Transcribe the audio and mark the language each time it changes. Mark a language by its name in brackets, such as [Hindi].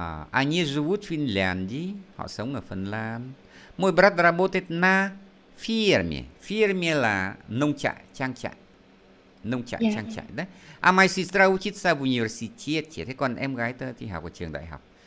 [Russian] Они живут в Финляндии, [Vietnamese] họ sống ở Phần Lan. [Russian] Мой брат работает на ферме. [Vietnamese] Ферме là nông trại, trang trại. Nông trại, trang trại đấy. [Russian] А моя сестра учится в университете. [Vietnamese] Thế còn em gái tôi thì học ở trường đại học.